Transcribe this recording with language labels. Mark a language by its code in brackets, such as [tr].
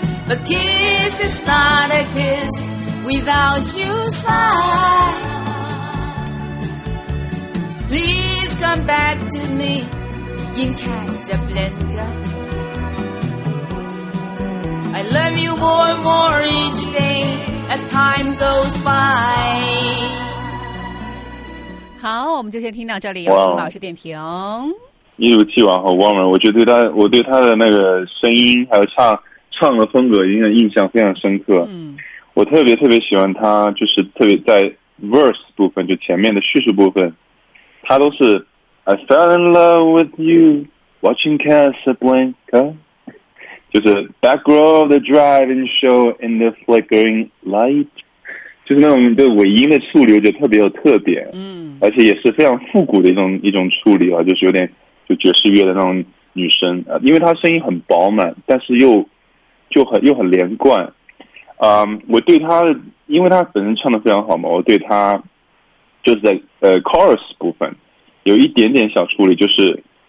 [en] A kiss is not a kiss without you, sigh. Please come back to me in Casablanca. I love you more and more each day as time goes by. [zh] 好，我们就先听到这里，有请老师点评。一如既往和 warmer， 我觉得我对他的那个声音还有唱的风格印象非常深刻。我特别特别喜欢他，就是特别在 verse 部分，就前面的叙述部分，他都是 [en] I fell in love with you watching Casablanca， [zh] 就是 [en] back row of the driving show in the flickering light。 [zh] 就是那种对尾音的处理，我觉得特别有特点，而且也是非常复古的一种处理啊，就是有点就爵士乐的那种女声啊，因为她声音很饱满，但是又很连贯，我对她，因为她本身唱的非常好嘛，我对她就是在chorus 部分有一点点小处理，就是